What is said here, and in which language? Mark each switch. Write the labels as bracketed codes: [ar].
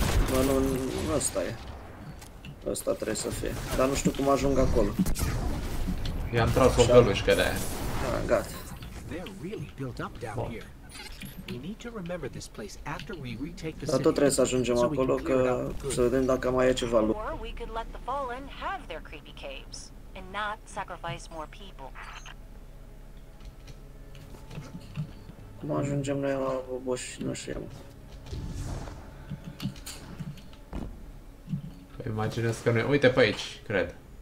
[ro] Bă, nu, ăsta e. Ăsta trebuie să fie. Dar nu știu cum ajung acolo. I-am tras o gălușcă de-aia. A, gata. [en] They're really built up down here. We need to remember this place after we retake the city. [ro] Dar tot trebuie să ajungem acolo, că... să vedem dacă mai e ceva lucru. [en] Or we could let the Fallen have their creepy caves, and not sacrifice more people. [ro] Cum ajungem noi la boboș, nu știu. Păi imaginez că noi... Uite pe aici, cred.